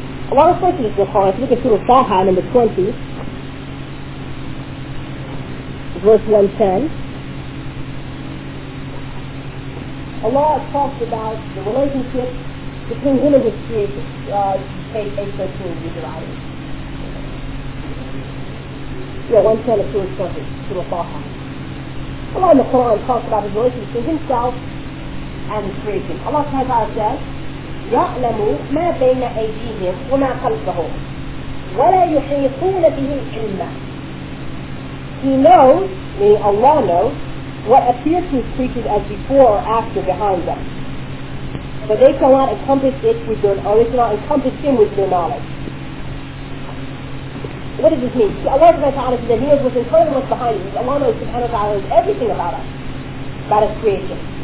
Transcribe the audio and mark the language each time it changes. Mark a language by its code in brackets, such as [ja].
[en] A lot of questions in the Quran, if you look at Surah Taha, number 20, verse 110, Allah talks about the relationship between him and his creator, page 813 of the Bible. Yeah, 110 of Surah 20, Surah Taha. Allah in the Quran talks about his relationship between himself and his creation. Allah Ta'ala says, [ar] يَعْلَمُ مَا بَيْنَ أَيْدِيهِمْ وَمَا خَلْفَهُمْ وَلَا يُحِيطُونَ بِهِ عِلْمًا. [en] He knows, meaning Allah knows, what appears to his creatures as before or after, behind them. But they cannot encompass it with their knowledge, they cannot encompass him with their knowledge. What does this mean? Allah subhanahu wa ta'ala says that he knows what's in front of him, what's behind him. Allah knows subhanahu wa ta'ala knows everything about his creation.